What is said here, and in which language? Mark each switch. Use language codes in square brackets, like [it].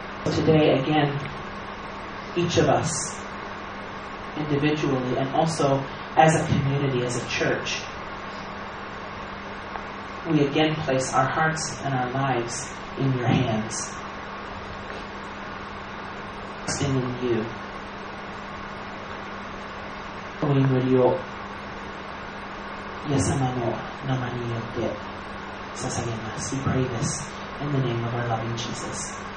[en] Today, again, each of us individually and also as a community, as a church, we again place our hearts and our lives in your hands, trusting in you. [ja] お祈りを、イエス様の名前によって捧げます。 [en] We pray this in the name of our loving Jesus.